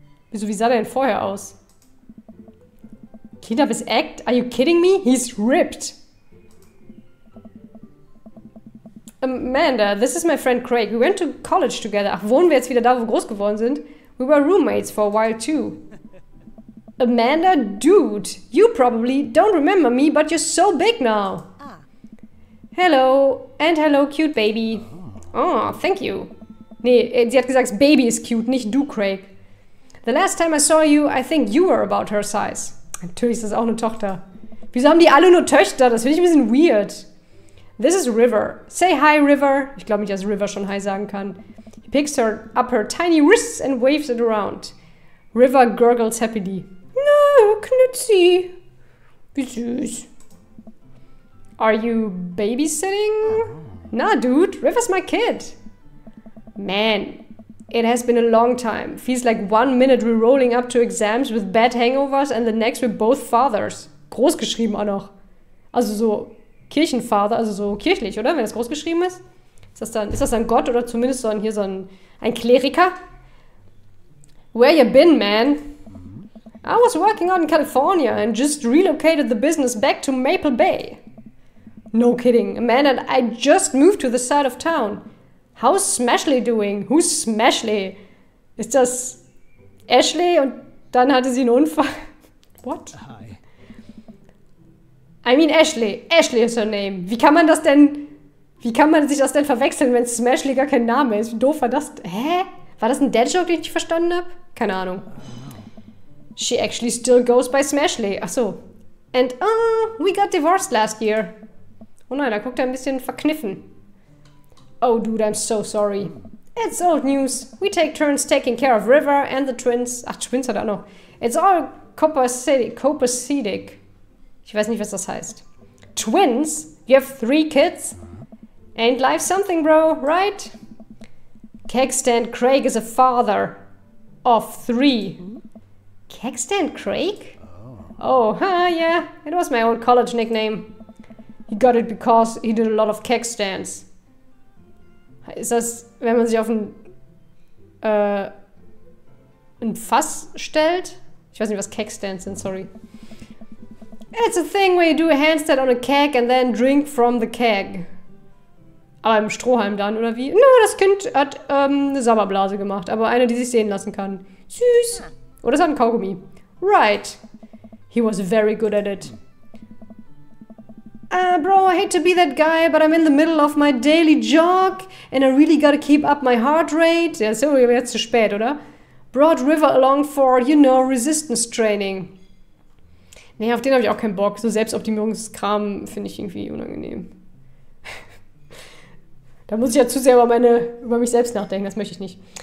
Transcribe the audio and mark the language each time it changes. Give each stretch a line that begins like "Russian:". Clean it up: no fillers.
German: Wieso, wie sah der denn vorher aus?
English: Cleaned up his act? Are you kidding me? He's ripped. Amanda, this is my friend Craig. We went to college together.
German: Ach, wohnen wir jetzt wieder da, wo wir groß geworden sind?
English: We were roommates for a while too. Amanda, dude, you probably don't remember me, but you're so big now. Hello, and hello, cute baby. Oh, thank you.
German: Nee, sie hat gesagt, Baby ist cute, nicht du, Craig.
English: The last time I saw you, I think you were about her size.
German: Natürlich ist das auch eine Tochter. Wieso haben die alle nur Töchter? Das finde ich ein bisschen weird.
English: This is River. Say hi, River.
German: Ich glaube nicht, dass River schon hi sagen kann.
English: He picks her up her tiny wrists and waves it around. River gurgles happily.
German: No, Knutzi. Wie süß.
English: Are you babysitting? Nah, dude. River's my kid. Man, it has been a long time. Feels like 1 minute we're rolling up to exams with bad hangovers and the next we're both fathers.
German: Großgeschrieben auch noch. Also so... Kirchenvater, also so kirchlich, oder? Wenn das groß geschrieben ist. Ist das dann Gott oder zumindest so ein Kleriker?
English: Where you been, man? I was working out in California and just relocated the business back to Maple Bay. No kidding. Man, and I just moved to the side of town. How's Smashley doing? Who's Smashley?
German: Ist das Ashley und dann hatte sie einen Unfall?
English: What? I mean Ashley. Ashley is her name.
German: Wie kann man das denn... Wie kann man sich das denn verwechseln, wenn Smashley gar kein Name ist? Wie doof war das? Hä? War das ein Dad-Joke, den ich nicht verstanden habe? Keine Ahnung.
English: She actually still goes by Smashley.
German: Ach so.
English: And we got divorced last year.
German: Oh nein, da guckt er ein bisschen verkniffen.
English: Oh dude, I'm so sorry. It's old news. We take turns taking care of River and the twins.
German: Ach, Twins hat er noch.
English: It's all copacetic.
German: Ich weiß nicht, was das heißt. Twins?
English: You have three kids? Ain't life something, bro, right? Kegstand Craig is a father of three. Kegstand Craig? Oh, yeah. It was my old college nickname. He got it because he did a lot of kegstands.
German: Ist das, wenn man sich auf ein Fass stellt? Ich weiß nicht, was Kegstands sind, sorry.
English: It's a thing where you do a handstand on a keg and then drink from the keg.
German: Aber im Strohhalm dann, oder wie? Na, das Kind hat eine Sabberblase gemacht, aber eine, die sich sehen lassen kann. Süß! Oder es hat ein Kaugummi.
English: Right. He was very good at it. Bro, I hate to be that guy, but I'm in the middle of my daily jog and I really gotta keep up my heart rate.
German: Ja, so, jetzt zu spät, oder?
English: Brought River along for, you know, resistance training.
German: Nee, auf den habe ich auch keinen Bock. So Selbstoptimierungskram finde ich irgendwie unangenehm. Da muss ich ja zu sehr über mich selbst nachdenken, das möchte ich nicht.